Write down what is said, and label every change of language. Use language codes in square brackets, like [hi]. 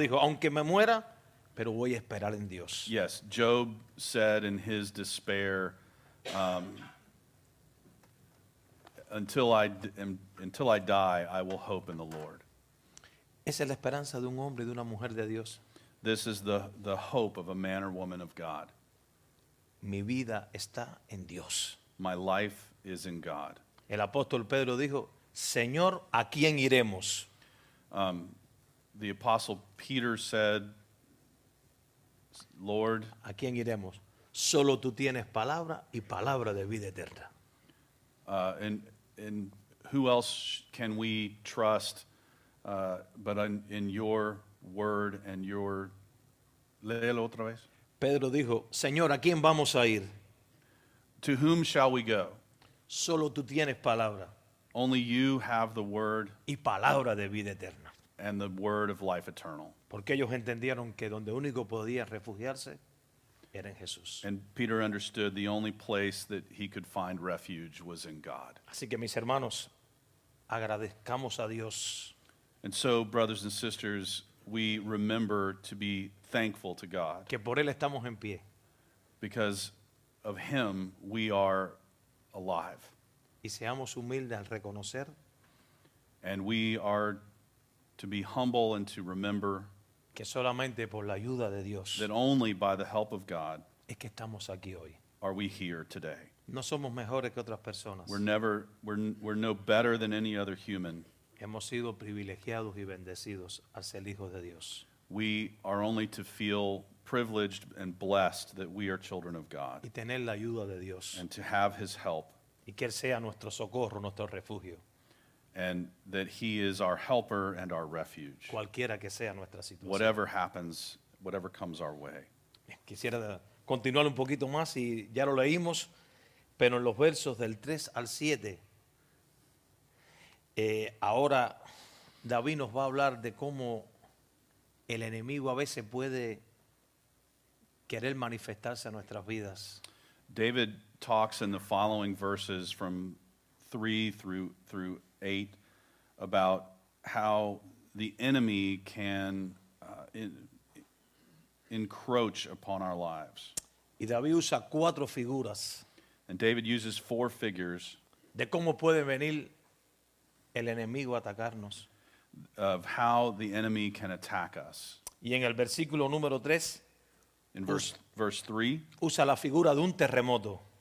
[es] Dijo, aunque me muera, pero voy a esperar en Dios. [en] Yes, Job said in his despair, until I die, I will hope in the Lord. [es] Esa es la esperanza de un hombre y de una mujer de Dios. [en] This is the hope of a man or woman of God. [es] Mi vida está en Dios. [en] My life is in God. [es] El apóstol Pedro dijo, Señor, ¿a quién iremos? [en] The apostle Peter said, Lord, [es] ¿a quién iremos? Solo tú tienes palabra y palabra de vida eterna. [en] And who else can we trust but in your word and your... [es] Léelo otra vez. Pedro dijo, Señor, ¿a quién vamos a ir? [en] To whom shall we go? [es] Solo tú tienes palabra. [en] Only you have the word [es] y palabra de vida eterna. [en] And the word of life eternal. [es] Porque ellos entendieron que donde único podía refugiarse era en Jesús. [en] And Peter understood the only place that he could find refuge was in God. [es] Así que mis hermanos, agradezcamos a Dios. [en] And so, brothers and sisters, we remember to be thankful to God. [es] Que por él estamos en pie. [en] Because of him, we are alive. [es] Y seamos humildes al reconocer. [en] And we are to be humble and to remember [es] que solamente por la ayuda de Dios [en] that only by the help of God [es] es que estamos aquí hoy. [en] Are we here today. [es] No somos mejores que otras personas. [en] We're no better than any other human. [es] Hemos sido privilegiados y bendecidos al ser hijos de Dios. [en] We are only to feel privileged and blessed that we are children of God. [es] Y tener la ayuda de Dios. [en] And to have his help. [es] Y que él sea nuestro socorro, nuestro refugio. [en] And that he is our helper and our refuge. [es] Cualquiera que sea nuestra situación. [en] Whatever happens, whatever comes our way. [es] Quisiera continuar un poquito más y ya lo leímos, pero en los versos del 3 al 7, ahora David nos va a hablar de cómo el enemigo a veces puede querer manifestarse a nuestras vidas. [en] David talks in the following verses from 3 through 8 about how the enemy can encroach upon our lives. [es] Y David usa cuatro figuras. [en] And David uses four figures. [es] De cómo puede venir el enemigo a atacarnos. [en] Of how the enemy can attack us. [es] Y en el versículo número 3. [en] In verse 3. [es] Usa la figura de un terremoto.